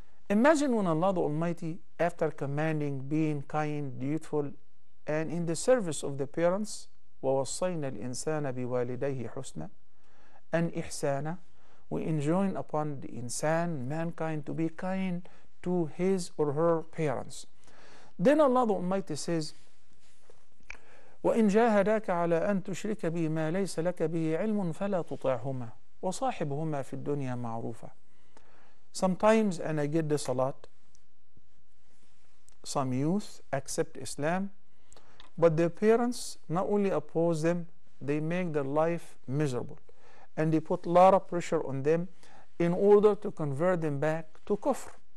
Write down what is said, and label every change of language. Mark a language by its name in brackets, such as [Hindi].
[English] Imagine when Allah the Almighty, after commanding, being kind, dutiful, and in the service of the parents, [Arabic] وَوَصَّيْنَا الْإِنسَانَ بِوَالِدَيْهِ حُسْنًا [English] and [Arabic] إِحْسَانًا, [English] we enjoin upon the insan, mankind, to be kind to his or her parents. Then Allah the Almighty says, [Arabic] وَإِنْ جَاهَدَاكَ عَلَىٰ أَن تُشْرِكَ بِهِ مَا لَيْسَ لَكَ بِهِ عِلْمٌ فَلَا تُطِعْهُمَا وَصَاحِبْهُمَا فِي الدُّنْيَا مَعْرُوفًا. [English] Sometimes, and I get this a lot, some youth accept Islam, but their parents not only oppose them, they make their life miserable, and they put a lot of pressure on them in order to convert them back to kufr.